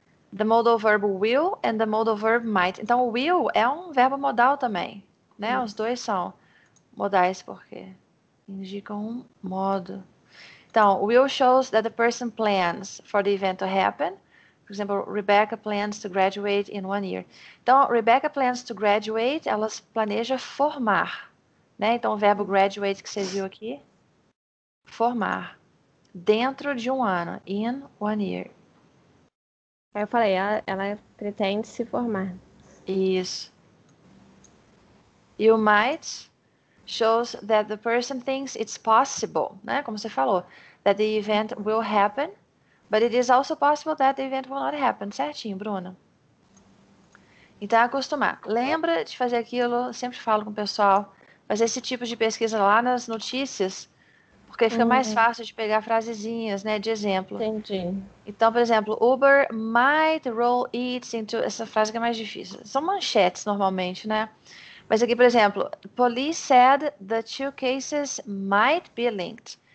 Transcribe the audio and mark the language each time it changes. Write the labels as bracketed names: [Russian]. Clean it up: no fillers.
[English] The modal verb will and the modal verb might. [Portuguese] Então, will é um verbo modal também, né? Os dois são modais porque indicam um modo. [English] Então, will shows that the person plans for the event to happen. [Portuguese] Por exemplo, [English] Rebecca plans to graduate in 1 year. Então, Rebecca plans to graduate, [Portuguese] ela planeja formar, né? Então, o verbo graduate que você viu aqui, formar, dentro de 1 ano, [English] in 1 year. [Portuguese] Aí eu falei, ela pretende se formar. Isso. [English] You might shows that the person thinks it's possible, né? [Portuguese] Como você falou, [English] that the event will happen, but it is also possible that the event will not happen. [Portuguese] Certinho, Bruna. Então, acostumar. Lembra de fazer aquilo, sempre falo com o pessoal, fazer esse tipo de pesquisa lá nas notícias, porque fica mais fácil de pegar frasezinhas, né, de exemplo. Entendi. Então, por exemplo, [English] Uber might roll its into. [Portuguese] Essa frase que é mais difícil. São manchetes normalmente, né? Mas aqui, por exemplo, [English] Police said the two cases might be linked.